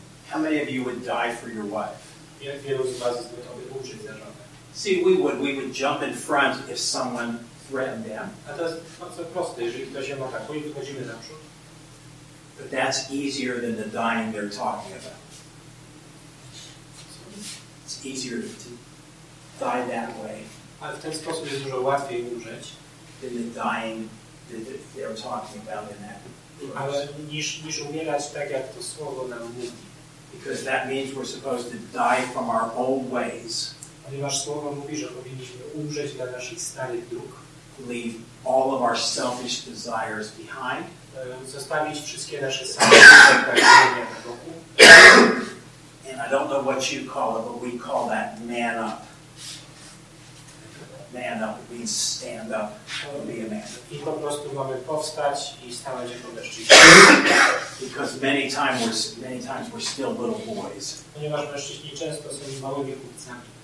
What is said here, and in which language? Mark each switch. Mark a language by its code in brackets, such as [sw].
[en] How many of you would die for your wife? [pl] Jak wielu z was jest gotowy umrzeć za żonę? [en] See, we would. We would jump in front if someone threatened them. [pl] A to jest bardzo proste, jeżeli ktoś ją atakuje, wychodzimy naprzód. [en] But that's easier than the dying they're talking about. It's easier to die that way. [pl] Ale w ten sposób jest dużo łatwiej umrzeć. [en] Than the dying that they're talking about in that. [pl] Ale niż umierać tak, jak to słowo nam mówi. [en] Because that means we're supposed to die from our old ways. [pl] Ponieważ słowo mówi, że powinniśmy umrzeć dla naszych starych dróg. [en] Leave all of our selfish desires behind. [pl] Zostawić wszystkie nasze same pragnienia na boku. [en] And I don't know what you call it, but we call that man up. Man up means stand up and be a man. [pl] I po prostu mamy powstać i stawać jako mężczyźni. [en] Because many times we're still little boys. [pl] Ponieważ mężczyźni często są małymi chłopcami.